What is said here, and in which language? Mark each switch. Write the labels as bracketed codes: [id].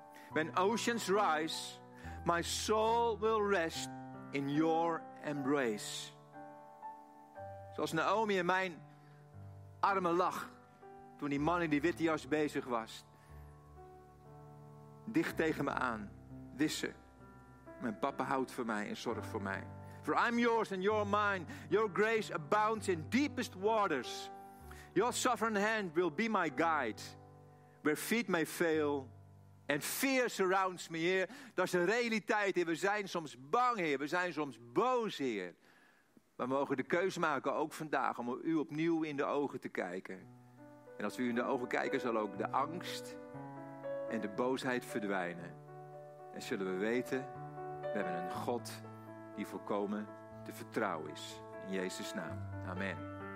[en] When oceans rise, my soul will rest in your embrace. [nl] Zoals Naomi in mijn armen lag, toen die man in die witte jas bezig was, dicht tegen me aan, wisse, mijn papa houdt voor mij en zorgt voor mij. [en] For I'm yours and you're mine, your grace abounds in deepest waters. Your sovereign hand will be my guide. Where feet may fail and fear surrounds me, Heer. [nl] Dat is de realiteit, Heer. We zijn soms bang, Heer. We zijn soms boos, Heer. Maar we mogen de keuze maken, ook vandaag, om u opnieuw in de ogen te kijken. En als we u in de ogen kijken, zal ook de angst en de boosheid verdwijnen. En zullen we weten, we hebben een God die volkomen te vertrouwen is. In Jezus' naam. Amen.